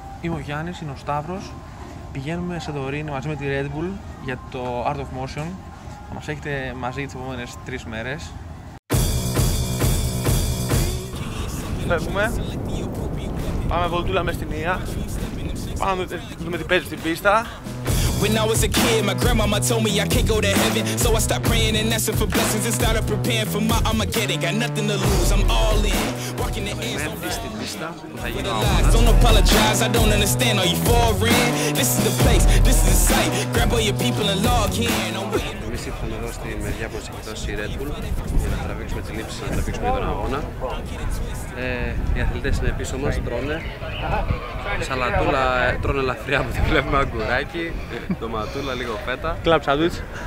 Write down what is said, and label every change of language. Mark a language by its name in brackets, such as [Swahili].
[Greek] Είμαι ο Γιάννης, είναι ο Σταύρος. Πηγαίνουμε σε Σαντορίνη μαζί με τη Red Bull για το Art of Motion. Θα μας έχετε μαζί τις επόμενες 3 μέρες. Φεύγουμε. Πάμε βολτούλα μες στην Ία. Πάμε να δούμε τι παίζει στην πίστα. [English] When I was a kid, my grandmama told me I can't go to heaven. So I stopped praying and asking for blessings and started preparing for my Armageddon. Got nothing to lose, I'm all in. Walking the ends on the lies. I don't understand, are you foreign? This is the place, this is the site. Grab all your people and log in. [Greek] Εμείς ήρθαμε εδώ στη μεριά που έχει δώσει η Red Bull για να τραβήξουμε τη λήψη, να τραβήξουμε τον αγώνα. Οι αθλητές είναι πίσω μας, τρώνε. Σαλατούλα, τρώνε ελαφριά που τη βλέπουμε, αγκουράκι, ντοματούλα, λίγο φέτα. Κλαμπ σάντουιτς.